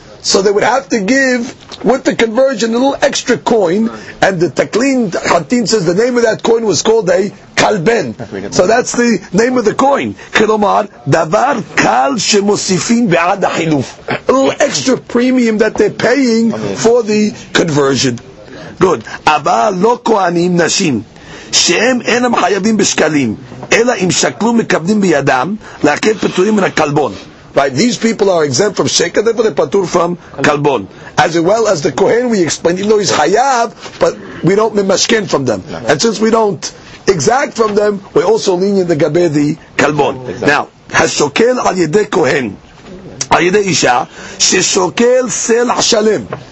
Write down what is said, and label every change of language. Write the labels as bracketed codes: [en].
[en] So they would have to give, with the conversion, a little extra coin, and the taklin hatin says the name of that coin was called a kalben. So that's the name of the coin. [he] Kilomar davar kal shemosifin be'ad ha'chiluf. [en] A little extra premium that they're paying for the conversion. Good. [he] Aba lo kohanim nashim. שהם אינם חייבים בשקלים, אלא אם שקלו מקבלים בידם, להקל פטורים מן הקלבון. [en] Right, these people are exempt from shekel, therefore they're patur from kalbon. As well as the Kohen, we explain, even though he's hayav, but we don't memashken from them. And since we don't exact from them, we're also lenient the gabe the kalbon. Exactly. Now, [he] השוקל על ידי כהן, על ידי אישה, ששוקל סלע שלם.